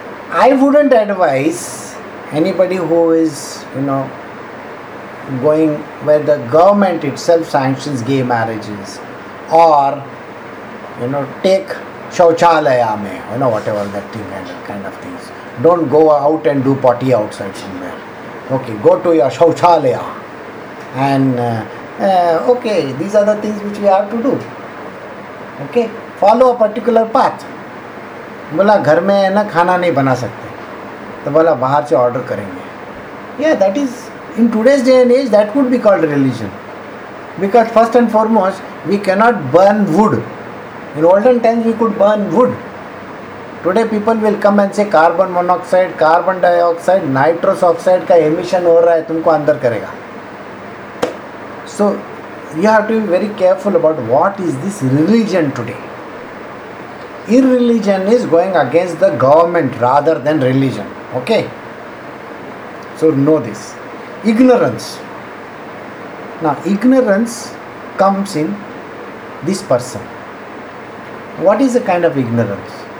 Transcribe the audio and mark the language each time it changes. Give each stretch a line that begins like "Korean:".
English: I wouldn't advise anybody who is, you know, going where the government itself sanctions gay marriages or, you know, take
Hindi: shauchalaya me,
English: you know, whatever that thing and that kind of things. Don't go out and do potty outside somewhere. Okay, go to your shauchalaya and okay, these are the things which we have to do. Okay, follow a particular path.
Hindi: बोला घर में है ना खाना नहीं बना सकते तो बोला बाहर से ऑर्डर करेंगे.
English: या that is in today's day and as that would be called religion because first and foremost we can not burn wood. In olden times we could burn wood. Today people will come and say carbon monoxide, carbon dioxide, nitrous oxide का emission
Hindi: हो रहा है, तुमको अंदर करेगा.
English: So you have to be very careful about what is this religion today. Irreligion is going against the government rather than religion. Okay? So know this. Ignorance. Now, ignorance comes in this person. What is the kind of ignorance?